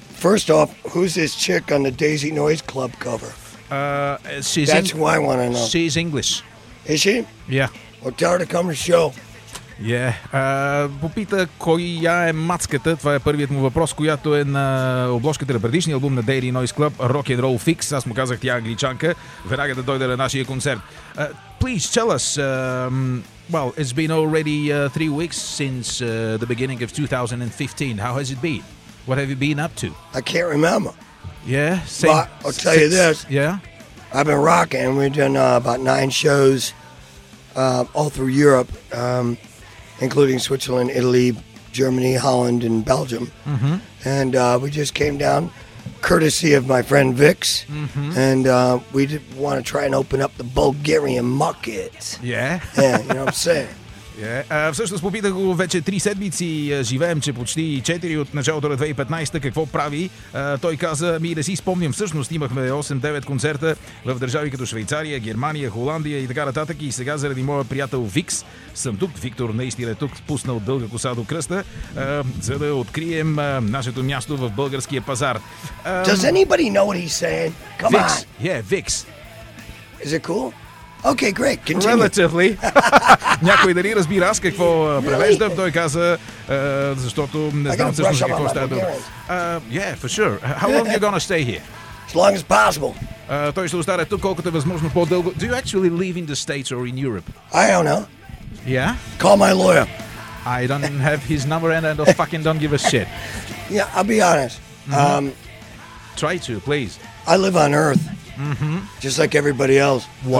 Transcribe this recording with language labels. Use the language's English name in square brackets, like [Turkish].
[English] First off, who's this chick on the Daisy Noise Club cover? That's who I want to know. She's English. Is she? Yeah. Well, tell her to come to the show. [Bulgarian] Yeah. Попита коя е мацката. Това е първият му въпрос, която е на обложката на предишния албум на Daily Noise Club, Rock and Roll Fix. Аз му казах, тя англичанка, веднага да дойде на нашия концерт. [English] Please tell us, it's been already 3 weeks since the beginning of 2015. How has it been? What have you been up to? I can't remember. Yeah? I'll tell you this. Yeah? I've been rocking. We've done about 9 shows all through Europe. Including Switzerland, Italy, Germany, Holland, and Belgium. Mm-hmm. And we just came down, courtesy of my friend Vix. Mm-hmm. And we did want to try and open up the Bulgarian market. Yeah? Yeah, you know what I'm saying? Yeah. [Bulgarian] Всъщност попитах го вече 3 седмици, живеем, че почти 4 от началото на 2015, какво прави. Той каза, ми да си спомним, всъщност имахме 8-9 концерта в държави като Швейцария, Германия, Холандия и така нататък. И сега заради моя приятел Викс съм тук, Виктор наистина е тук, спуснал дълга коса до кръста, за да открием нашето място в българския пазар. [English] Does anybody know what he's saying? Come Vix. On. Yeah, Vix. Is it cool? Okay, great. Continue. Relatively. [Bulgarian] Някой дали разбира аз какво превеждам, той каза, защото не знам всъщност какво ще дадам. [English] Yeah, for sure. How long are you going to stay here? As long as possible. [Bulgarian] Той ще остане тук колкото е възможно по-дълго. [English] Do you actually live in the States or in Europe? I don't know. Yeah? Call my lawyer. I don't have his number and I fucking don't give a shit. Yeah, I'll be honest. Mm-hmm. Try to, please. I live on Earth. Mm-hmm. Just like everybody else. Whoa.